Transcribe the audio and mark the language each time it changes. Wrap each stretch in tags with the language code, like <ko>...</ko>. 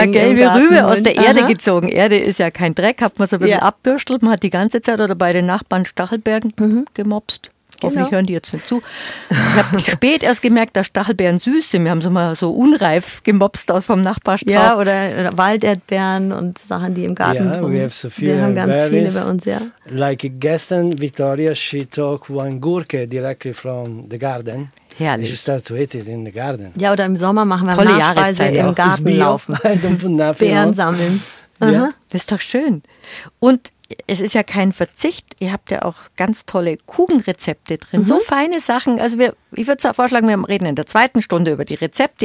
<de>Eine gelbe Rübe aus der Erde gezogen. Erde ist ja kein Dreck, hat man so ein bisschen abbürstelt. Man hat die ganze Zeit oder bei den Nachbarn Stachelbeeren gemopst. Hoffentlich hören die jetzt nicht zu. Ich habe spät erst gemerkt, dass Stachelbeeren süß sind. Wir haben sie mal so unreif gemopst aus vom Nachbarstrauch. Ja, oder Walderdbeeren und Sachen, die im Garten kommen. Wir haben ganz</de> <en>berries.</en> <de>Viele bei uns, ja.</de> <en>Like gestern, Victoria, she took one Gurke directly from the garden.</en> <de>Herrlich.</de> <en>She started to eat it in the garden.</en> <de>Ja, oder im Sommer machen wir tolle Nachspeise Jahreszeit, im Garten laufen. Beeren sammeln. Das ist doch schön. Und es ist ja kein Verzicht. Ihr habt ja auch ganz tolle Kuchenrezepte drin. Mhm. So feine Sachen. Also ich würde vorschlagen, wir reden in der zweiten Stunde über die Rezepte.</de>